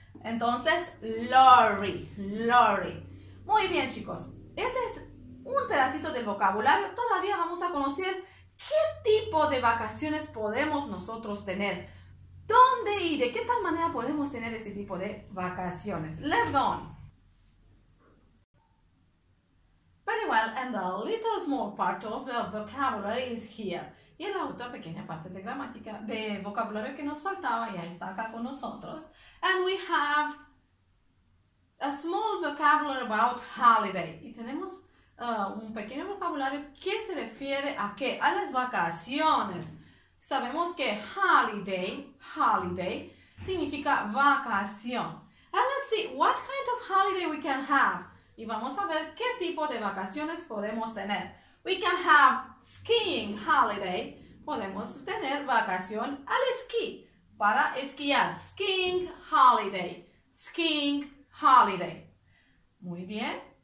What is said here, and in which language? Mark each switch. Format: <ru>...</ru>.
<es>Entonces, lorry, lorry. Muy bien, chicos. Este es un pedacito del vocabulario. Todavía vamos a conocer qué tipo de vacaciones podemos nosotros tener. ¿Dónde y de qué tal manera podemos tener ese tipo de vacaciones?</es> <en>Let's go on. Very well, and a little small part of the vocabulary is here.</en> <es>Y la otra pequeña parte de gramática, de vocabulario que nos faltaba, ya está acá con nosotros.</es> <en>And we have a small vocabulary about holiday.</en> <es>Y tenemos un pequeño vocabulario que se refiere a qué, a las vacaciones. Sabemos que holiday, holiday, significa vacación.</es> <en>And let's see what kind of holiday we can have.</en> <es>Y vamos a ver qué tipo de vacaciones podemos tener.</es> <en>We can have skiing holiday.</en> <es>Podemos tener vacación al esquí, para esquiar.</es> <en>Skiing holiday, skiing holiday.</en> <es>Muy bien.</es>